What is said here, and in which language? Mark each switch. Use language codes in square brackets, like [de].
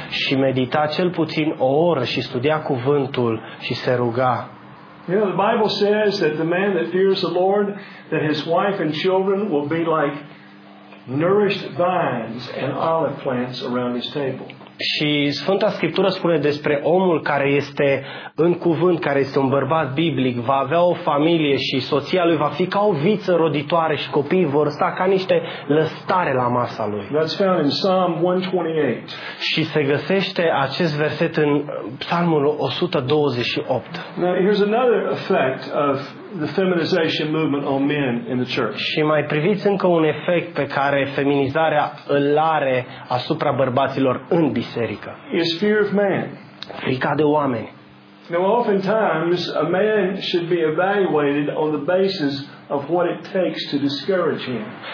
[ro] Și medita cel puțin o oră și studia cuvântul și se ruga. [en] You know, the Bible says that the man that fears the Lord, that his wife and children will be like nourished vines and olive plants around his table. [ro] Și Sfânta Scriptură spune despre omul care este în cuvânt, care este un bărbat biblic, va avea o familie și soția lui va fi ca o viță roditoare și copiii vor sta ca niște lăstare la masa lui. [en] That's found in Psalm 128. [ro] Și se găsește acest verset în Psalmul 128. [en] Now, here's another effect of the feminization movement on men in the church. [ro] Și mai priviți încă un efect pe care feminizarea îl are asupra bărbaților în biserică. [en] Is fear of man. [ro] Frica de oameni. [en] Now, oftentimes a man should be evaluated on the basis of what it takes to discourage him.